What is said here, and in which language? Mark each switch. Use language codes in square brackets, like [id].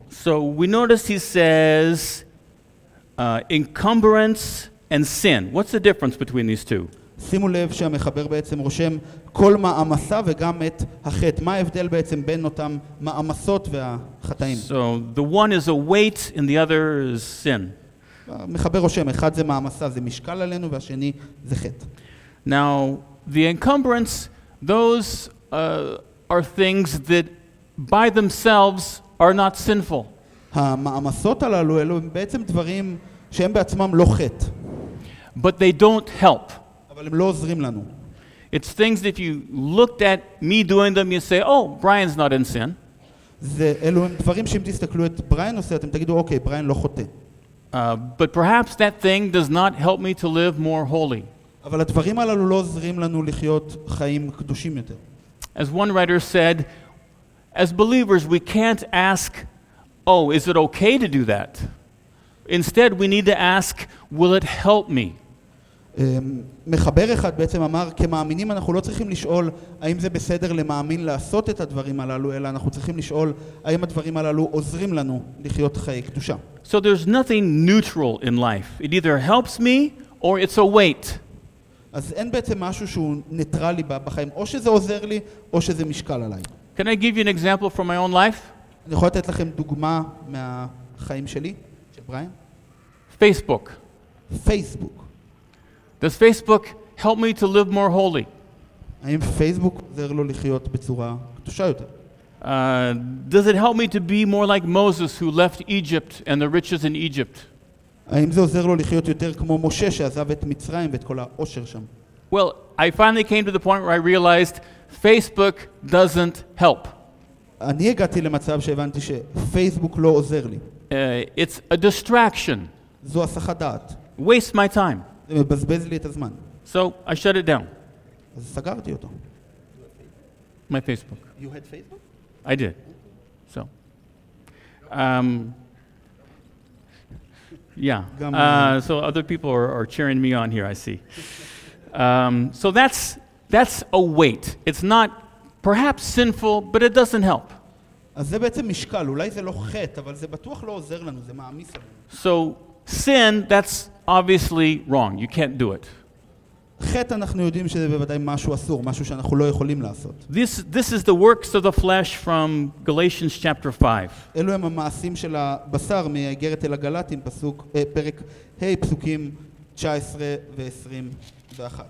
[en] So we notice he says encumbrance and sin. What's the difference between these two? [he] שימו לב שהמחבר בעצם רושם כל מעמסה וגם את החטא. מה ההבדל בעצם בין אותם מעמסות והחטאים? [en] So the one is a weight and the other is sin. [he] המחבר רושם, אחד זה מעמסה, זה משקל עלינו, והשני זה חטא. [en] Now, the encumbrance, those are things that by themselves are not sinful. [he] המעמסות הללו אלו הם בעצם דברים שהם בעצמם לא חטא. [en] But they don't help. [he] אבל הם לא עוזרים לנו. [en] It's things that if you looked at me doing them, you say, oh, Brian's not in sin. [he] אלו הם דברים שאם תסתכלו את בריין עושה, אתם תגידו, אוקיי, בריין לא חוטא. [en] But perhaps that thing does not help me to live more holy. [he] אבל הדברים הללו לא עוזרים לנו לחיות חיים קדושים יותר. [en] As one writer said, as believers, we can't ask, oh, is it okay to do that? Instead, we need to ask, will it help me? [he] מחבר אחד בעצם אמר, כמאמינים אנחנו לא צריכים לשאול האם זה בסדר למאמין לעשות את הדברים הללו, אלא אנחנו צריכים לשאול האם הדברים הללו עוזרים לנו לחיות חיי קדושה. [en] So there's nothing neutral in life. It either helps me or it's a weight. [he] אז אין בעצם משהו שהוא ניטרלי בחיים, או שזה עוזר לי או שזה משקל עליי. [en] Can I give you an example from my own life? [he] אני יכול לתת לכם דוגמה מהחיים שלי, של בריין? [en] Facebook. [he] Facebook. [en] Does Facebook help me to live more holy? [he] האם Facebook עוזר לו לחיות בצורה קדושה יותר? [en] Does it help me to be more like Moses who left Egypt and the riches in Egypt? [he] האם זה עוזר לו לחיות יותר כמו משה שעזב את מצרים ואת כל העושר שם? [en] Well, I finally came to the point where I realized Facebook doesn't help. [he] אני הגעתי למצב שהבנתי שפייסבוק לא עוזר לי. [en] It's a distraction. [he] זו הסחת דעת. [en] Waste my time. [he] זה מבזבז לי את הזמן. [en] So I shut it down. [he] אז סגרתי אותו. [en] My Facebook. You had Facebook? I did. So. Yeah. So other people are cheering me on here, I see. So that's a weight. It's not perhaps sinful, but it doesn't help. [he] אז זה בעצם משקל, אולי זה לא חטא, אבל זה בטוח לא עוזר לנו, זה מעמיס עלינו. [en] So sin, that's obviously wrong. You can't do it. [he] חטא אנחנו יודעים שזה בוודאי משהו אסור, משהו שאנחנו לא יכולים לעשות. [en] This is the works of the flesh from Galatians chapter 5. [he] אלו הם המעשים של הבשר מאגרת אל הגלטים פרק ה' פסוקים 19 ו-21.